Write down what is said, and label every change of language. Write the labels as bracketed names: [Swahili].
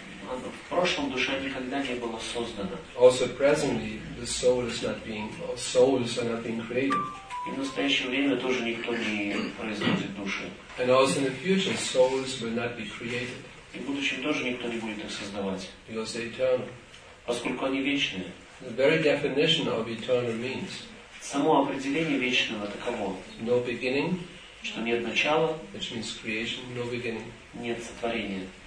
[Russian] В прошлом душа никогда не была создана. [English] Also presently the soul is not being, souls are not being created. [Russian] И в настоящее время тоже никто не производит души. [English] And also in the future souls will not be created. [Russian] И в будущем тоже никто не будет их создавать. [English] Because they're eternal. [Russian] Поскольку они вечные. [English] The very definition of eternal means. [Russian] Само определение вечного таково. [English] No beginning, [Russian] что нет начала, [English] which means creation, no beginning, [Russian] нет сотворения,